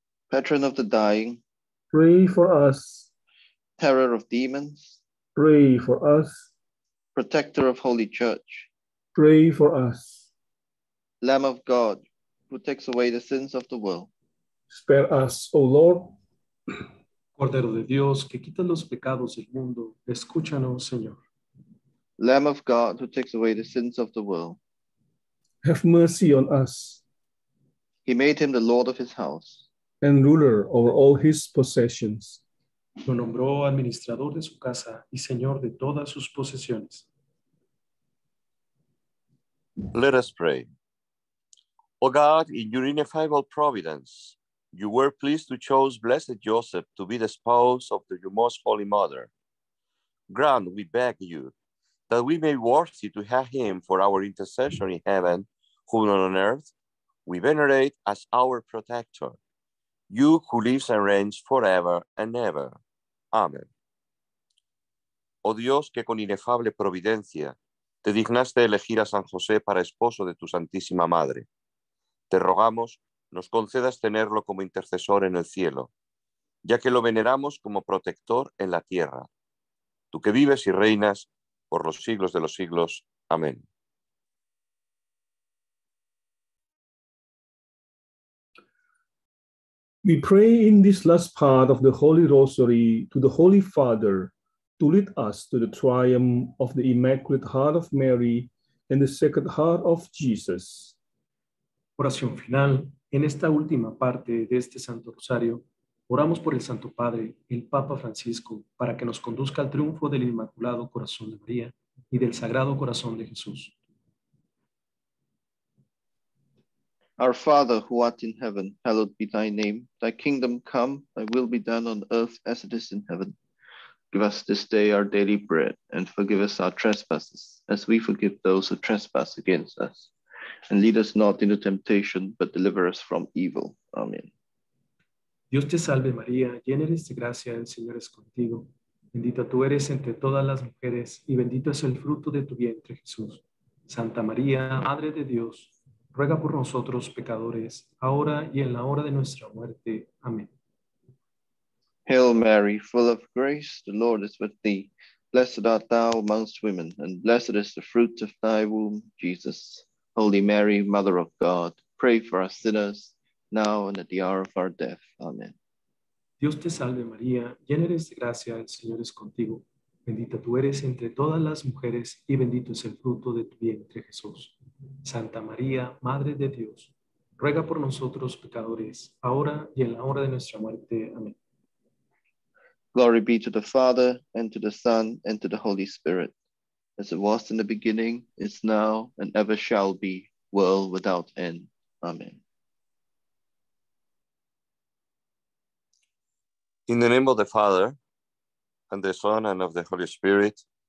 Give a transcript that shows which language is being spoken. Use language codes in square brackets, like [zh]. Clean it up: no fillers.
[en] Patron of the dying, pray for us. Terror of demons, pray for us. Protector of Holy Church, pray for us. Lamb of God, who takes away the sins of the world, spare us, O Lord. [es] Cordero de Dios, que quitas los pecados del mundo, escúchanos, Señor. [en] Lamb of God, who takes away the sins of the world, have mercy on us. He made him the Lord of his house and ruler over all his possessions. [es] Lo nombró administrador de su casa y señor de todas sus posesiones. [en] Let us pray. O God, in your ineffable providence, you were pleased to choose blessed Joseph to be the spouse of your most holy mother. Grant, we beg you, that we may be worthy to have him for our intercessor in heaven, whom on earth we venerate as our protector. You who lives and reigns forever and ever. Amen. [es] Oh Dios, que con inefable providencia te dignaste elegir a San José para esposo de tu Santísima Madre, te rogamos nos concedas tenerlo como intercesor en el cielo, ya que lo veneramos como protector en la tierra. Tú que vives y reinas por los siglos de los siglos. Amén. [en] We pray in this last part of the Holy Rosary to the Holy Father to lead us to the triumph of the Immaculate Heart of Mary and the Sacred Heart of Jesus. [es] Oración final. En esta última parte de este Santo Rosario, oramos por el Santo Padre, el Papa Francisco, para que nos conduzca al triunfo del Inmaculado Corazón de María y del Sagrado Corazón de Jesús. [en] Our Father, who art in heaven, hallowed be thy name. Thy kingdom come, thy will be done on earth as it is in heaven. Give us this day our daily bread, and forgive us our trespasses, as we forgive those who trespass against us. And lead us not into temptation, but deliver us from evil. Amen. [es] Dios te salve, María, llena eres de gracia, el Señor es contigo. Bendita tú eres entre todas las mujeres, y bendito es el fruto de tu vientre, Jesús. Santa María, Madre de Dios, ruega por nosotros, pecadores, ahora y en la hora de nuestra muerte. Amén. [en] Hail Mary, full of grace, the Lord is with thee. Blessed art thou amongst women, and blessed is the fruit of thy womb, Jesus. Holy Mary, Mother of God, pray for us sinners, now and at the hour of our death. Amen. [es] Dios te salve, María, llena eres de gracia, el Señor es contigo. Bendita tú eres entre todas las mujeres, y bendito es el fruto de tu vientre, Jesús. Santa María, Madre de Dios, ruega por nosotros, pecadores, ahora y en la hora de nuestra muerte. Amén. [en] Glory be to the Father, and to the Son, and to the Holy Spirit. As it was in the beginning, is now, and ever shall be, world without end. Amen. In the name of the Father, and the Son, and of the Holy Spirit.